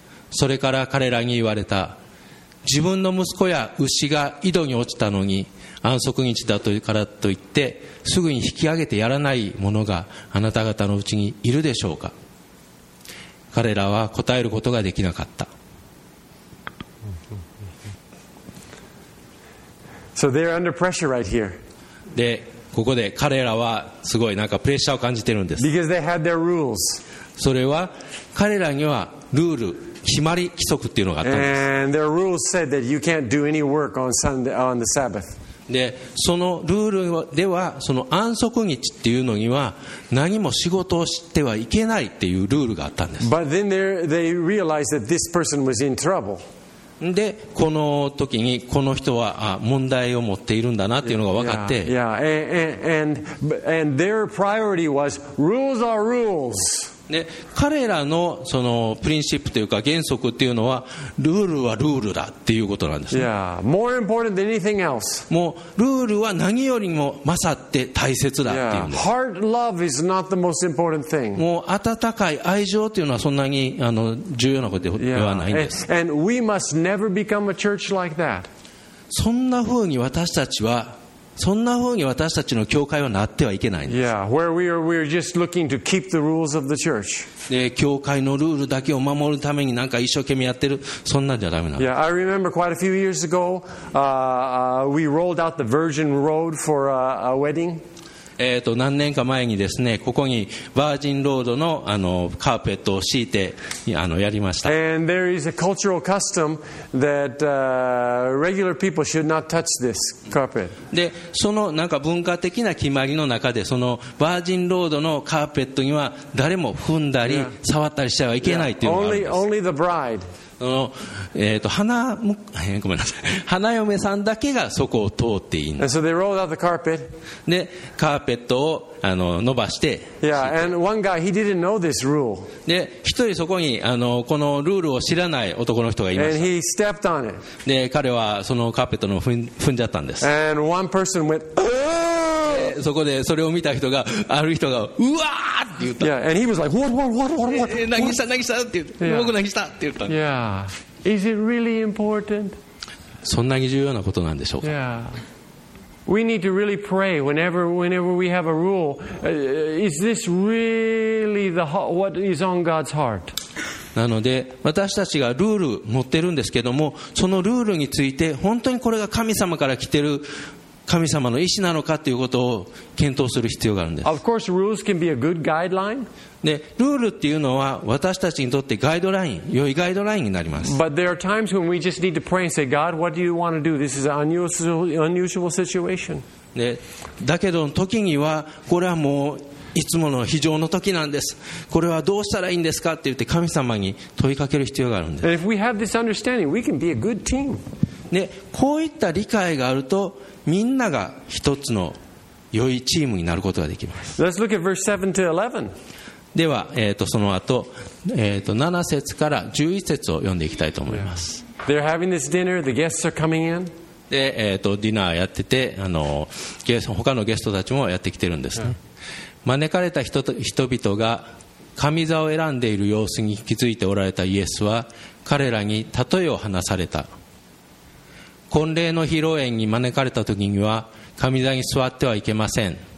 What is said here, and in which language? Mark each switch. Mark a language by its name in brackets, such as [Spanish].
[Japanese] それから彼らに言われた、自分の息子や牛が井戸に落ちたのに安息日だというからといってすぐに引き上げてやらないものがあなた方のうちにいるでしょうか。彼らは答えることができなかった。 [English] So they're under pressure right here. [Japanese] で、ここで彼らはすごいなんかプレッシャーを感じてるんです。 [English] Because they had their rules. [Japanese] それは彼らにはルール、決まり、規則っていうのがあったんです。 [English] And their rules said that you can't do any work on Sunday, on the Sabbath. [Japanese] でそのルールでは、その安息日っていうのには何も仕事をしてはいけないっていうルールがあったんです。 [English] But then they realized that this person was in trouble. [Japanese] でこの時にこの人は問題を持っているんだなっていうのが分かって、 [English] and their priority was rules are rules. [Japanese] で彼ら の, そのプリンシップというか原則というのは、ルールはルールだということなんですね。 [English] yeah, more important than anything else. [Japanese] もうルールは何よりも勝って大切だというんです。 [English] yeah, heart love is not the most important thing. [Japanese] もう温かい愛情というのはそんなに重要なことではないんです。 [English] and we must never become a church like that. [Japanese] そんな風に私たちはそんな風に私たちの教会はなってはいけないんです。 [English] Yeah, where we are just looking to keep the rules of the church. [Japanese] 教会のルールだけを守るためになんか一生懸命やってる、そんなじゃダメなんです。 [English] Yeah, I remember quite a few years ago, we rolled out the virgin road for a wedding. [Japanese] 何年か前にですね、ここにバージンロードのカーペットを敷いてやりました。 [English] And there is a cultural custom that regular people should not touch this carpet. [Japanese] で、そのなんか文化的な決まりの中で、そのバージンロードのカーペットには誰も踏んだり触ったりしてはいけないっていうのがあるんです。 [English] Only the bride. [Japanese] その、花、ごめんなさい、花嫁さんだけがそこを通っていいんです。 [English] And so they rolled out the carpet. [Japanese] で、カーペットを伸ばして。 [English] Yeah, and one guy, he didn't know this rule. [Japanese] で、一人そこにこのルールを知らない男の人がいました。 [English] And he stepped on it. [Japanese] で、彼はそのカーペットの踏んじゃったんです。 [English] And one person went, oh! [Japanese] そこでそれを見た人が、ある人が、うわーって言った。 [English] Yeah, and he was like, what? [Japanese] 泣きしたって言った。僕泣きしたって言った。 [English] Yeah. Is it really important? [Japanese] そんなに重要なことなんでしょうか。 [English] Yeah. We need to really pray whenever we have a rule. Is this really what is on God's heart? [Japanese] なので私たちがルール持ってるんですけども、そのルールについて本当にこれが神様から来てる神様の意思なのかということを検討する必要があるんです。 [English] Of course, rules can be a good guideline. [Japanese] で、ルールっていうのは私たちにとってガイドライン、良いガイドラインになります。 [English] But there are times when we just need to pray and say, God, what do you want to do? This is an unusual situation. [Japanese] で、だけど時にはこれはもういつもの非常の時なんです、これはどうしたらいいんですかって言って神様に問いかける必要があるんです。 [English] And if we have this understanding, we can be a good team. [Japanese] で、こういった理解があるとみんなが一つの良いチームになることができます。 [English] Let's look at verse 7 to 11. [Japanese] では、その後、7節から11節を読んでいきたいと思います。 [English] They're having this dinner, the guests are coming in. [Japanese] で、ディナーやってて、他のゲストたちもやってきてるんですね。 [English] Yeah. [Japanese] 招かれた人々が神座を選んでいる様子に気づいておられたイエスは、彼らに例えを話された。婚礼の披露宴に招かれた時には神座に座ってはいけません。